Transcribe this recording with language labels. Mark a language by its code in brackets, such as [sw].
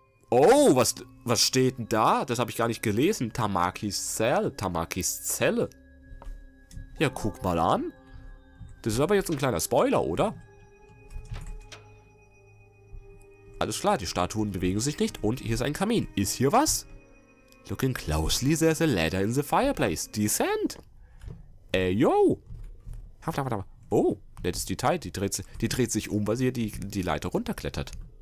[de] Oh, was steht denn da? Das habe ich gar nicht gelesen. Tamakis Zelle. Ja, guck mal an. Das ist aber jetzt ein kleiner Spoiler, oder? Alles klar, die Statuen bewegen sich nicht und hier ist ein Kamin. Ist hier was? [en] Looking closely, there's a ladder in the fireplace. Descend! [de] Yo! Oh, nettes Detail. Die dreht sich um, weil sie hier die Leiter runterklettert.